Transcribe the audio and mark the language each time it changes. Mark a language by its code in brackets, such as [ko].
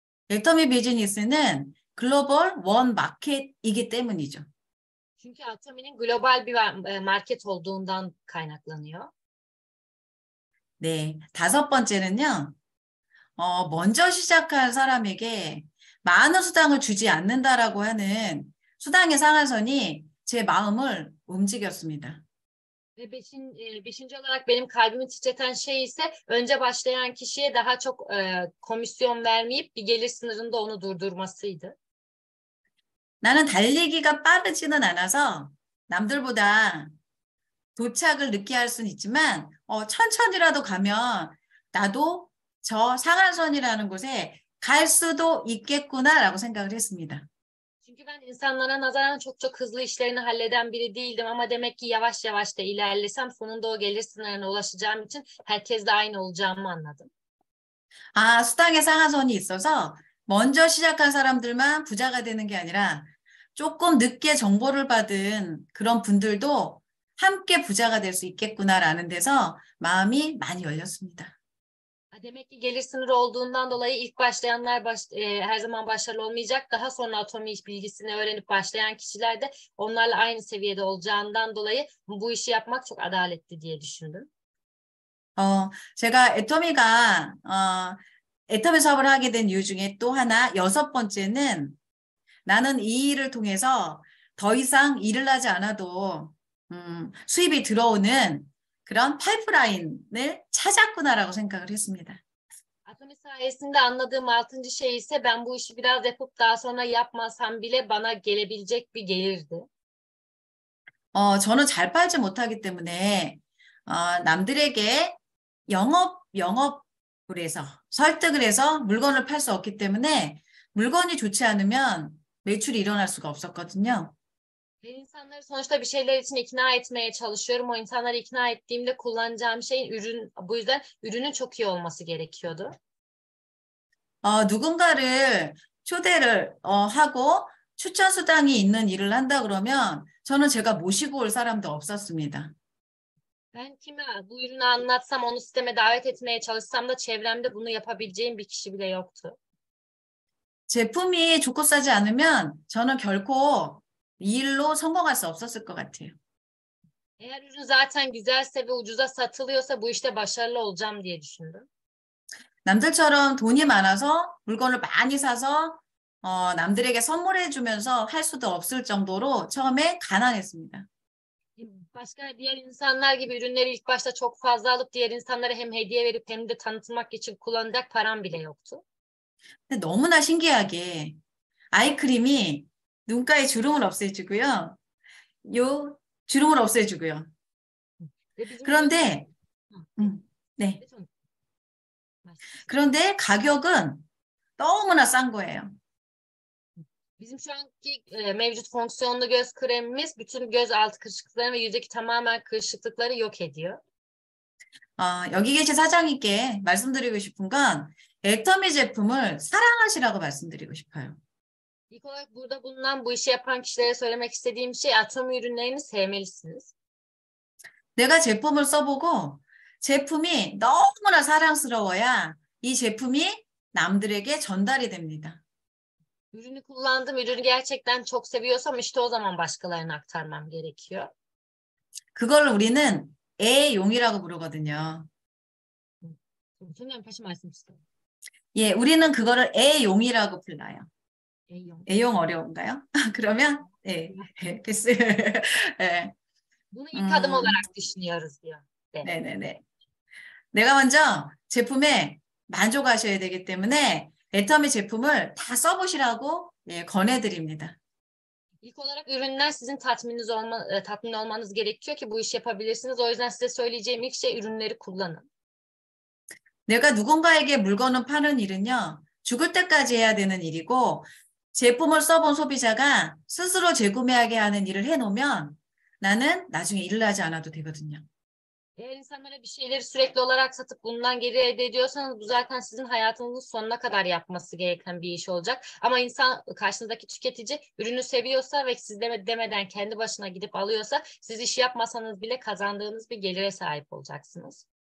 [ko] 애터미 비즈니스는 글로벌 원 마켓이기 때문이죠. [tr] Çünkü Atomi'nin global bir market olduğundan kaynaklanıyor. [ko] 네, 다섯 번째는요. 먼저 시작한 사람에게 많은 수당을 주지 않는다라고 하는 수당의 상한선이 제 마음을 움직였습니다. [tr] Ve beşinci olarak benim kalbimi titreten şey ise önce başlayan kişiye daha çok komisyon vermeyip bir gelir sınırında onu durdurmasıydı. [ko] 나는 달리기가 빠르지는 않아서 남들보다 도착을 늦게 할 수는 있지만, 천천히라도 가면 나도 저 상한선이라는 곳에 갈 수도 있겠구나라고 생각을 했습니다. [tr] Çünkü ben insanlara nazaran çok çok hızlı işlerini halleden biri değildim ama demek ki yavaş yavaş da ilerlesem sonunda o gelir sınırına ulaşacağım için herkesle aynı olacağımı anladım. [ko] 수당의 상한선이 있어서 먼저 시작한 사람들만 부자가 되는 게 아니라 조금 늦게 정보를 받은 그런 분들도 함께 부자가 될수 있겠구나라는 데서 마음이 많이 열렸습니다. [tr] Demek ki gelir sınırı olduğundan dolayı ilk başlayanlar her zaman başarılı olmayacak. Daha sonra atomi bilgisini öğrenip başlayan kişiler de onlarla aynı seviyede olacağından dolayı bu işi yapmak çok adaletli diye düşündüm. [ko] 제가 애터미 사업을 하게 된 이유 중에 또 하나, 여섯 번째는 나는 이 일을 통해서 더 이상 일을 하지 않아도 수입이 들어오는 그런 파이프라인을 찾았구나라고 생각을 했습니다. [tr] 아토미사 esinde anladığım 6. şey ise ben bu işi biraz yapıp daha sonra yapmasam bile bana gelebilecek bir gelirdi. [ko] 저는 잘 팔지 못하기 때문에 남들에게 영업을 해서 설득을 해서 물건을 팔수 없기 때문에 물건이 좋지 않으면 매출이 일어날 수가 없었거든요. [tr] İnsanları sonuçta bir şeyler için ikna etmeye çalışıyorum. O insanları ikna ettiğimde kullanacağım şeyin ürün, bu yüzden ürünün çok iyi olması gerekiyordu. [ko] 누군가를 초대를 하고 추천 수당이 있는 일을 한다 그러면 저는 제가 모시고 올 사람도 없었습니다. [tr] Ben kime bu ürünü anlatsam, onu sisteme davet etmeye çalışsam da çevremde bunu yapabileceğim bir kişi bile yoktu. [ko] 제품이 좋고 싸지 않으면 저는 결코 이 일로 성공할 수 없었을 것 같아요. [tr] Eğer ürün zaten güzelse ve ucuza satılıyorsa bu işte başarılı olacağım diye düşündüm. [ko] 남들처럼 돈이 많아서 물건을 많이 사서 남들에게 선물해 주면서 할 수도 없을 정도로 처음에 가난했습니다. [tr] Başka diğer insanlar gibi ürünleri ilk başta çok fazla alıp diğer insanlara hem hediye verip hem de tanıtmak için kullanacak param bile yoktu. Ve [ko] 너무나 신기하게 아이크림이 눈가에 주름을 없애주고요. 주름을 없애주고요. 네, 뭐 그런데 네. 그런데 가격은 너무나 싼 거예요. [tr] �izim şu anki mevcut fonksiyonlu göz kremimiz bütün göz altı kırışıklıkları ve yüzdeki tamamen kırışıklıkları yok ediyor. [ko] 여기 계신 사장님께 말씀드리고 싶은 건 애터미 제품을 사랑하시라고 말씀드리고 싶어요. [tr] İlk olarak burada bulunan bu işi yapan kişilere söylemek istediğim şey atom ürünlerini sevmelisiniz. [ko] 내가 제품을 써보고 제품이 너무나 사랑스러워야 이 제품이 남들에게 전달이 됩니다. [tr] Ürünü kullandım, ürünü gerçekten çok seviyorsam işte o zaman başkalarına aktarmam gerekiyor. [ko] 그걸 우리는 애용이라고 부르거든요. 선생님 다시 말씀 주세요. 예, 우리는 그거를 애용이라고 불러요. 에이용. 애용 어려운가요? 그러면, 예, 패스. 예. 뭐는 이 타듬 올라락 düşünüyoruz diyor. 네. 네네네. 내가 먼저 제품에 만족하셔야 되기 때문에 애터미 제품을 다 써보시라고 예, 권해드립니다. [tr] İlk olarak üründen sizin tatmin olmanız gerekiyor ki bu işi yapabilirsiniz. O yüzden size söyleyeceğim ilk şey ürünleri kullanın. [ko] 내가 누군가에게 물건을 파는 일은요, 죽을 때까지 해야 되는 일이고, 제품을 써본 소비자가 스스로 재구매하게 하는 일을 해놓으면 나는 나중에 일을 하지 않아도 되거든요. [tr] Eğer insanlara bir şeyleri sürekli olarak satıp bundan geri elde ediyorsanız bu zaten sizin hayatınızın sonuna kadar yapması gereken bir iş olacak. Ama insan karşınızdaki tüketici ürünü seviyorsa ve siz demeden kendi başına gidip alıyorsa siz iş yapmasanız bile kazandığınız bir gelire sahip olacaksınız.